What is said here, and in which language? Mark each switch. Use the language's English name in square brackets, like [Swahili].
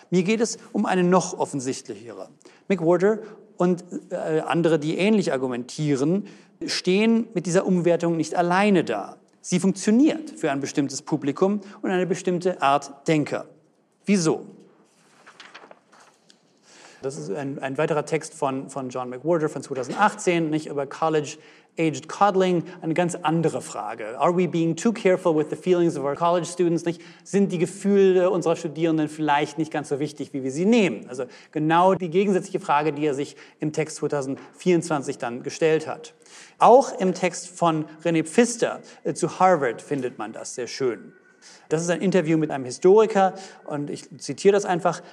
[German] Mir geht es um eine noch offensichtlichere. McWhorter und andere, die ähnlich argumentieren, stehen mit dieser Umwertung nicht alleine da. Sie funktioniert für ein bestimmtes Publikum und eine bestimmte Art Denker. Wieso? Das ist ein weiterer Text von John McWhorter von 2018, nicht über [English] college-aged coddling, [German] eine ganz andere Frage. [English] Are we being too careful with the feelings of our college students? [German] Nicht? Sind die Gefühle unserer Studierenden vielleicht nicht ganz so wichtig, wie wir sie nehmen? Also genau die gegensätzliche Frage, die er sich im Text 2024 dann gestellt hat. Auch im Text von René Pfister zu Harvard findet man das sehr schön. Das ist ein Interview mit einem Historiker und ich zitiere das einfach.